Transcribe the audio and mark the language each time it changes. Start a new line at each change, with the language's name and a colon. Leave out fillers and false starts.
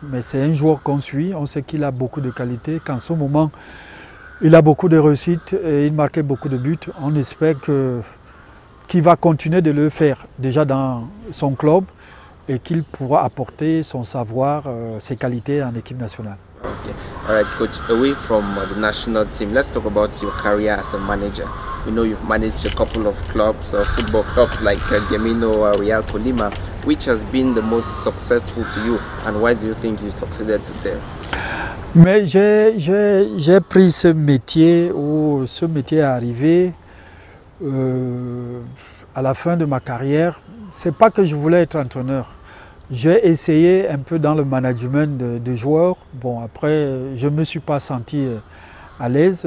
French: Mais c'est un joueur qu'on suit. On sait qu'il a beaucoup de qualités, qu'en ce moment, il a beaucoup de réussites et il marquait beaucoup de buts. On espère qu'il va continuer de le faire déjà dans son club et qu'il pourra apporter son savoir, ses qualités en équipe nationale.
English: Okay. All right, coach, away from the national team, let's talk about your career as a manager. We know you've managed a couple of clubs, football clubs like Gamino or Real Colima. Which has been the most successful to you and why do you think you succeeded there?
French: Mais j'ai pris ce métier où ce métier est arrivé à la fin de ma carrière. C'est pas que je voulais être entraîneur. J'ai essayé un peu dans le management de joueurs. Bon, après, je ne me suis pas senti à l'aise.